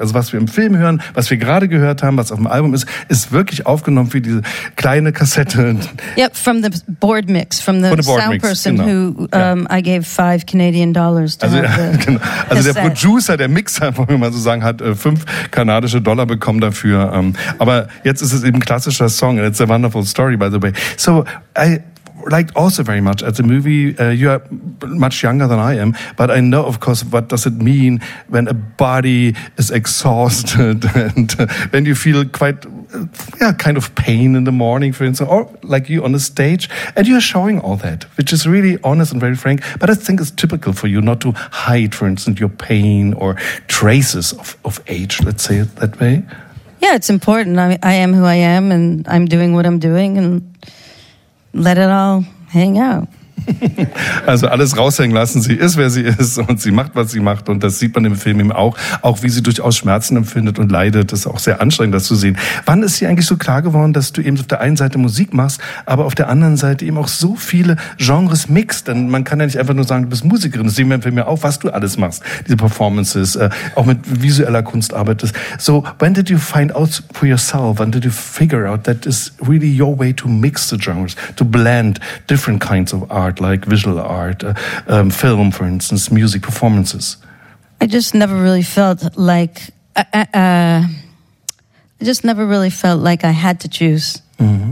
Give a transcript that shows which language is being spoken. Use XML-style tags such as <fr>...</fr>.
<de>Also, was wir im Film hören, was wir gerade gehört haben, was auf dem Album ist, ist wirklich aufgenommen für diese kleine Kassette.</de> <en>Yep, from the board mix. I gave $5 Canadian to</en> <de>also,</de> <en>have the</en> <de>genau. Also</de> <en>cassette.</en> <de>Der Producer, der Mixer, wollen wir mal so sagen, hat $5 Canadian bekommen dafür. Aber jetzt ist es eben klassischer Song.</de> <en>And it's a wonderful story, by the way. So I liked also very much at the movie. You are much younger than I am, but I know, of course, what does it mean when a body is exhausted and when you feel quite... yeah, kind of pain in the morning, for instance, or like you on the stage, and you're showing all that, which is really honest and very frank. But I think it's typical for you not to hide, for instance, your pain or traces of age, let's say it that way. Yeah, it's important. I am who I am, and I'm doing what I'm doing, and let it all hang out.</en> <de>Also alles raushängen lassen, sie ist, wer sie ist und sie macht, was sie macht und das sieht man im Film eben auch, auch wie sie durchaus Schmerzen empfindet und leidet, ist auch sehr anstrengend, das zu sehen. Wann ist dir eigentlich so klar geworden, dass du eben auf der einen Seite Musik machst, aber auf der anderen Seite eben auch so viele Genres mixt, denn man kann ja nicht einfach nur sagen, du bist Musikerin, das sehen wir im Film ja auch, was du alles machst, diese Performances, auch mit visueller Kunst arbeitest.</de> <en>So, when did you find out for yourself, when did you figure out that is really your way to mix the genres, to blend different kinds of art, like visual art, film, for instance, music performances? I just never really felt like I had to choose. Mm-hmm.</en>